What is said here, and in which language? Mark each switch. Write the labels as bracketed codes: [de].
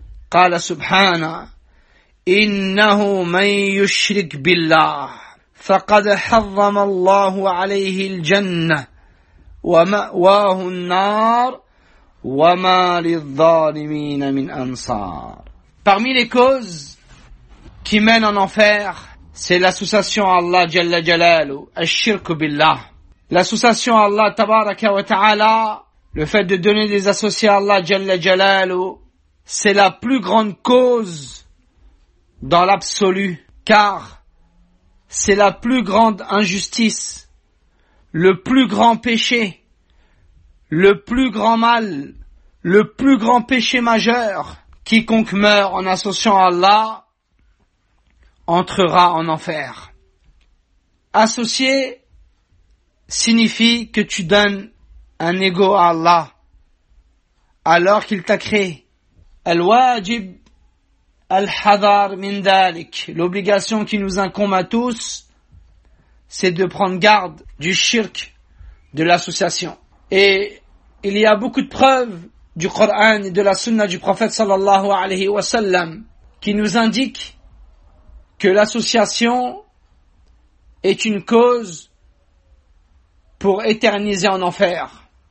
[ar] قال سبحانه: إنه من يشرك بالله فقد حرم الله عليه الجنة ومأواه النار وما للظالمين من أنصار. [fr] Parmi les causes qui mènent en enfer, c'est l'association à Allah Jalla Jalalu, [ar] الشرك بالله. [fr] L'association à Allah Tabaraka wa Ta'ala, le fait de donner des associés à Allah Jalla Jalalu, c'est la plus grande cause dans l'absolu, car c'est la plus grande injustice, le plus grand péché, le plus grand mal, le plus grand péché majeur. Quiconque meurt en associant Allah entrera en enfer. Associer signifie que tu donnes un ego à Allah alors qu'il t'a créé. [ar] Al-wajib الحذر من ذلك. [fr] L'obligation qui nous incombe à tous, c'est de prendre garde du shirk, de l'association. Et il y a beaucoup de preuves du Coran et de la Sunna du prophète sallallahu alayhi wa sallam qui nous indiquent que l'association est une cause pour éterniser en enfer.